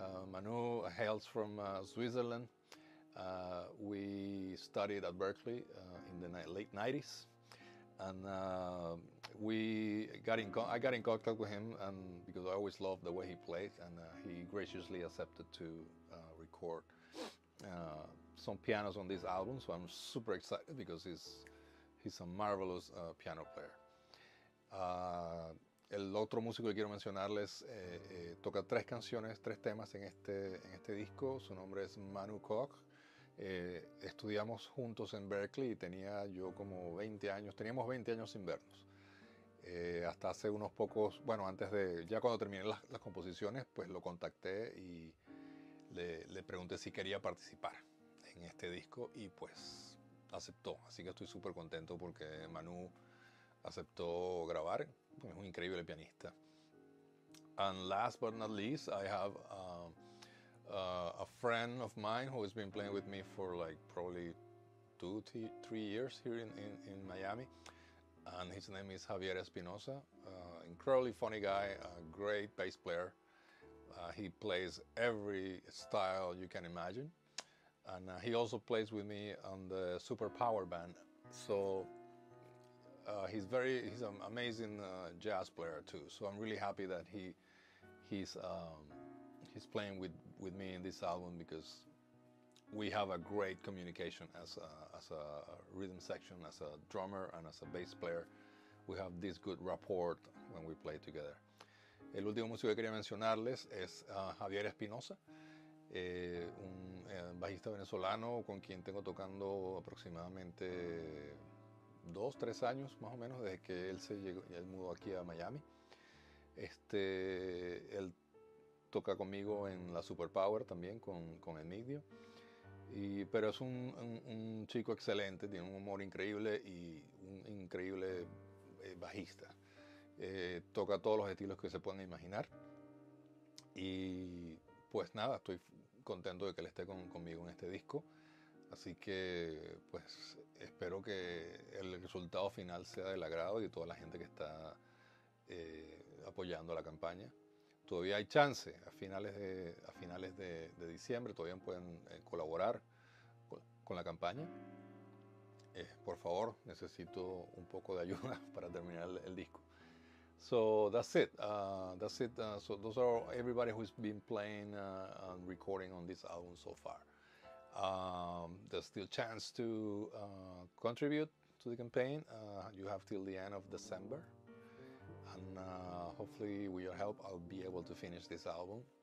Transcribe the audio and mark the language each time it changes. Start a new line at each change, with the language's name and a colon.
English: Manu hails from Switzerland. We studied at Berkeley in the late 90s, and I got in contact with him, and because I always loved the way he played, and he graciously accepted to record some pianos on this album. So I'm super excited because he's a marvelous piano player.
Spanish: El otro músico que quiero mencionarles toca tres temas en este disco. Su nombre es Manu Koch. Estudiamos juntos en Berkeley y tenía yo como 20 años, teníamos 20 años sin vernos. Hasta hace unos pocos, bueno, antes de, ya cuando terminé las composiciones, pues lo contacté y le pregunté si quería participar en este disco y pues aceptó. Así que estoy súper contento porque Manu aceptó grabar, pues es un increíble pianista. And last but not least, I have a friend of mine who has been playing with me for like probably 2-3 years here in Miami. And his name is Javier Espinosa, incredibly funny guy, a great bass player. He plays every style you can imagine. And he also plays with me on the Superpower band. So he's an amazing jazz player too. So I'm really happy that he's playing with me in this album, because we have a great communication as a rhythm section, as a drummer, and as a bass player. We have this good rapport when we play together. El último músico que quería mencionarles es Javier Espinosa, un bajista venezolano con quien tengo tocando aproximadamente 2-3 años, más o menos, desde que él mudó aquí a Miami. Él toca conmigo en la Superpower también, con Emigdio. Pero es un chico excelente, tiene un humor increíble y un increíble bajista. Toca todos los estilos que se puedan imaginar. Y pues nada, estoy contento de que él esté conmigo en este disco. Así que pues espero que el resultado final sea del agrado de toda la gente que está apoyando la campaña. Todavía hay chance, a finales de diciembre todavía pueden colaborar con la campaña. Por favor, necesito un poco de ayuda para terminar el disco.
English: So that's it. So those are everybody who's been playing and recording on this album so far. There's still chance to contribute to the campaign. You have till the end of December. And hopefully with your help, I'll be able to finish this album.